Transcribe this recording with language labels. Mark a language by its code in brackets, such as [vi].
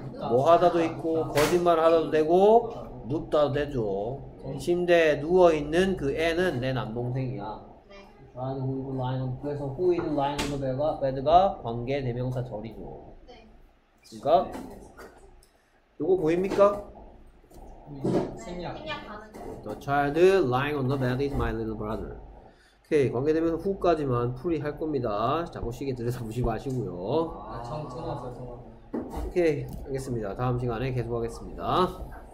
[ko] 뭐 하다도 있고 거짓말 하다도 되고 눕다도 되죠. 침대에 누워 있는 그 애는 내 남동생이야. 네. [en] 그래서 who is lying on the bed가 [ko] 관계 대명사 절이죠. 그러니까 요거 보입니까? 생략. [en] 네, The child lying on the bed is my little brother. [ko] 오케이, 관계되면 후까지만 풀이할 겁니다. 자꾸 시계 들여다 보지 마시고요. 오케이, 알겠습니다. 다음 시간에 계속하겠습니다.